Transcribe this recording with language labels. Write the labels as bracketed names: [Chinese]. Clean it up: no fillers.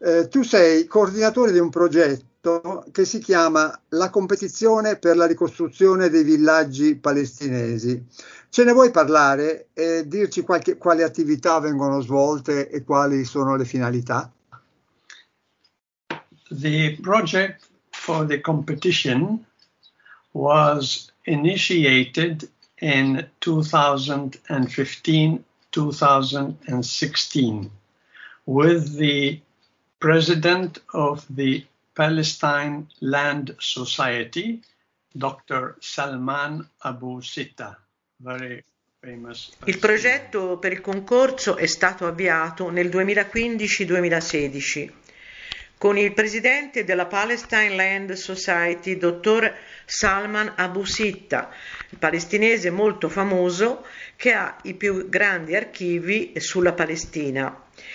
[Italian] Tu sei coordinatore di un progetto che si chiama La competizione per la ricostruzione dei villaggi palestinesi. Ce ne vuoi parlare e dirci quali attività vengono svolte e quali sono le finalità? [English] The project for the competition was initiated in 2015-2016 with the president of the Palestine Land Society, Dr. Salman Abu Sitta, very famous. [Italian] Il progetto per il concorso è stato avviato nel 2015-2016 con il presidente della Palestine Land Society, dottor Salman Abu Sitta, palestinese molto famoso, che ha i più grandi archivi sulla Palestina.